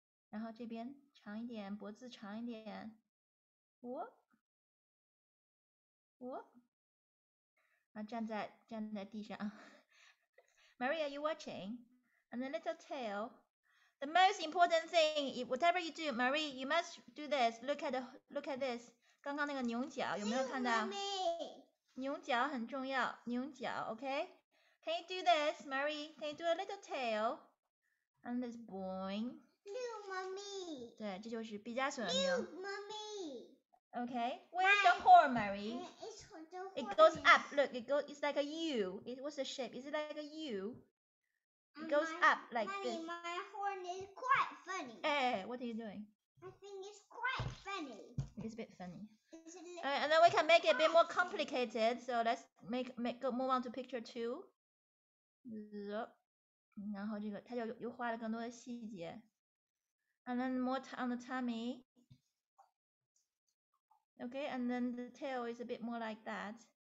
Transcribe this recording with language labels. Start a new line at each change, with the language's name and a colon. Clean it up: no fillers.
Chinese: 然后这边长一点，脖子长一点，我，然后站在地上。
English: Marie, are you watching? And the little tail. The most important thing, whatever you do, Marie, you must do this. Look at this.
Chinese: 刚刚那个牛角有没有看到？牛角很重要，牛角 ， okay? Can you do this, Marie?
English: Can you do a little tail? And this boing.
Chinese: 六妈咪，对，这就是毕加索的牛。妈咪
English: Okay, where's the horn, Mary? It goes up. Look, it's like a U. It was a shape. Is it like a U? It goes up like this. My horn is quite funny. Hey, what are you doing? I think it's quite funny. It's a bit funny. Alright, and then we can make it a bit more complicated. So let's move on to picture two. Look.
Chinese: 然后这个他就又画了更多的细节。
English: And then more on the tummy. Okay, and then the tail is a bit more like that.